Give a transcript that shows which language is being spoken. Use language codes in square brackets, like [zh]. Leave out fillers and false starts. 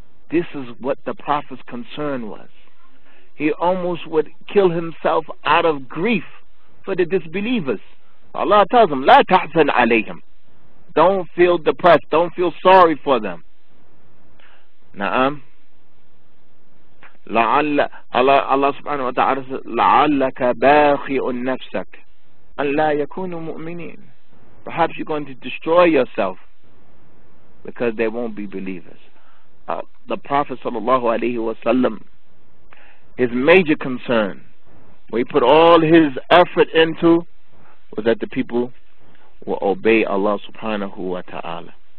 [en] This is what the Prophet's concern was. He almost would kill himself out of grief for the disbelievers. Allah tells him, [ar] لَا تَحْزَنْ عَلَيْهِمْ. [en] Don't feel depressed. Don't feel sorry for them. Allah subhanahu wa ta'ala says, [ar] لَعَلَّكَ بَاخِئُ النَّفْسَكَ أَنْ لَا يَكُونُ مُؤْمِنِينَ. [en] Perhaps you're going to destroy yourself because they won't be believers. The Prophet sallallahu alayhi wa sallam, his major concern, where he put all his effort into, was that the people will obey Allah subhanahu wa ta'ala.